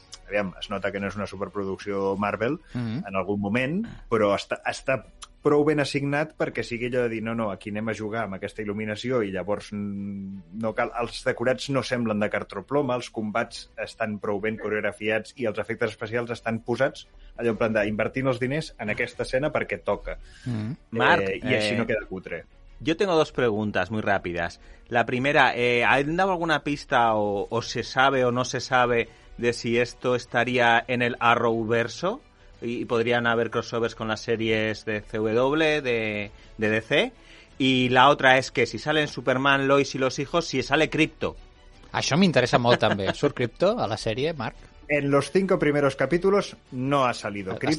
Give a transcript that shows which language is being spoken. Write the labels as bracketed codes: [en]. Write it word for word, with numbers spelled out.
[ca] aviam, es nota que no és una superproducció Marvel mm-hmm. en algun moment, però està, està prou ben assignat perquè sigui allò de dir, no, no, aquí anem a jugar amb aquesta il·luminació i llavors no cal, els decorats no semblen de cartró ploma, els combats estan prou ben coreografiats i els efectes especials estan posats allò en plan d'invertint els diners en aquesta escena perquè toca. Mm-hmm. Eh, Marc, i així eh... no queda cutre. [es] Yo tengo dos preguntas muy rápidas. La primera, eh, ¿han dado alguna pista o, o se sabe o no se sabe de si esto estaría en el Arrowverso y, y podrían haber crossovers con las series de C W, de, de D C? Y la otra es que si salen Superman, Lois y los hijos, si sale Crypto. [ca] Això m'interessa molt també. Surt Crypto a la sèrie, Marc? [es] En los cinco primeros capítulos no ha salido Crypto.